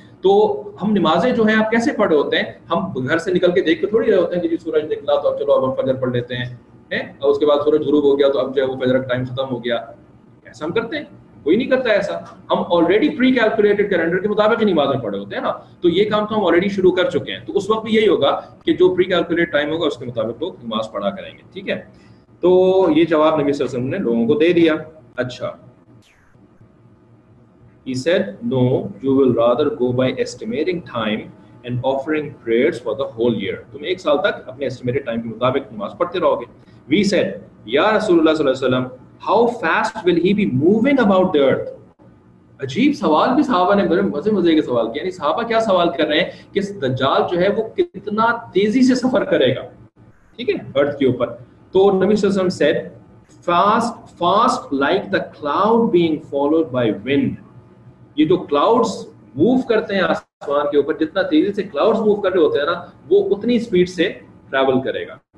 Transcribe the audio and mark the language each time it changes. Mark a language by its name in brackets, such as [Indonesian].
[Urdu] تو ہم نمازیں جو ہیں آپ کیسے پڑھے ہوتے ہیں ہم گھر سے نکل کے دیکھ کے تھوڑی رہے ہوتے ہیں کہ جی سورج نکلا تو اب چلو اب ہم فجر پڑھ لیتے ہیں اور اس کے بعد سورج غروب ہو گیا تو اب جو ہے وہ فجر کا ٹائم ختم ہو گیا. ایسا ہم کرتے ہیں کوئی نہیں کرتا ایسا. ہم آلریڈی پری کیلکولیٹڈ کیلنڈر کے مطابق ہی نمازیں پڑھے ہوتے ہیں نا. تو یہ کام تو ہم آلریڈی شروع کر چکے ہیں. تو اس وقت بھی یہی ہوگا کہ جو پری کیلکولیٹ ٹائم ہوگا اس کے مطابق لوگ نماز پڑھا کریں گے ٹھیک ہے. تو یہ جواب نبی صلی اللہ علیہ وسلم نے لوگوں کو دے دیا. [English] اچھا He said, no, you will rather go by estimating time and offering prayers for the whole year. [Urdu] تم ایک سال تک اپنے estimated time کے مطابق نماز پڑھتے رہو گے. [English] We said, یا رسول اللہ صلی اللہ علیہ وسلم, how fast will he be moving about the earth? [Urdu] عجیب سوال بھی صحابہ نے بڑے مزے مزے کے سوال کیا. یعنی صحابہ کیا سوال کر رہے ہیں کہ دجال جو ہے وہ کتنا تیزی سے سفر کرے گا ٹھیک ہے ارتھ کے اوپر. [English] تو نبی صلی اللہ علیہ وسلم said, fast like the cloud being followed by wind. [Urdu] یہ جو کلاؤڈس موو کرتے ہیں آسمان کے اوپر جتنا تیزی سے کلاؤڈس موو کر رہے ہوتے ہیں نا وہ اتنی سپیڈ سے ٹریول کرے گا.